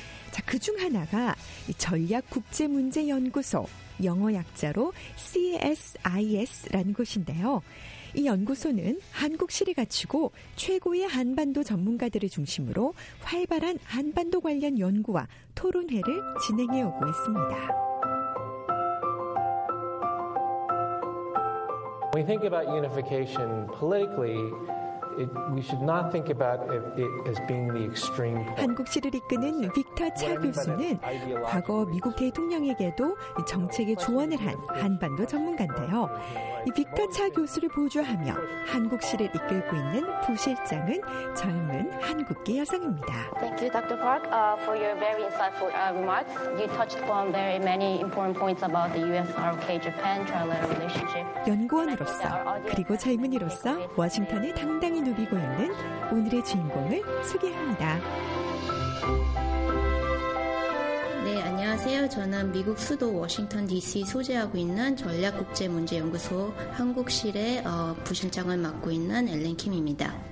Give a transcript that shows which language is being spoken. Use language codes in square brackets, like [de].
[ko] 자, 그중 하나가 전략국제문제연구소, 영어 약자로 CSIS라는 곳인데요. 이 연구소는 한국실이 갖추고 최고의 한반도 전문가들을 중심으로 활발한 한반도 관련 연구와 토론회를 진행해오고 있습니다. [en] When we think about unification politically, we should not think about it as being the extreme. [ko] 한국실을 이끄는 빅터 차 교수는 과거 미국 대통령에게도 정책의 조언을 한 한반도 전문가인데요. 이 빅터 차 교수를 보조하며 한국실을 이끌고 있는 부실장은 젊은 한국계 여성입니다. [en] Thank you, Dr. Park, for your very insightful remarks. You touched upon very many important points about the U.S.-ROK-Japan trilateral relationship. [ko] 연구원으로서 그리고 젊은이로서 워싱턴을 당당히 누비고 있는 오늘의 주인공을 소개합니다. 네, 안녕하세요. 저는 미국 수도 워싱턴 DC 소재하고 있는 전략국제문제연구소 한국실의 부실장을 맡고 있는 엘렌 킴입니다.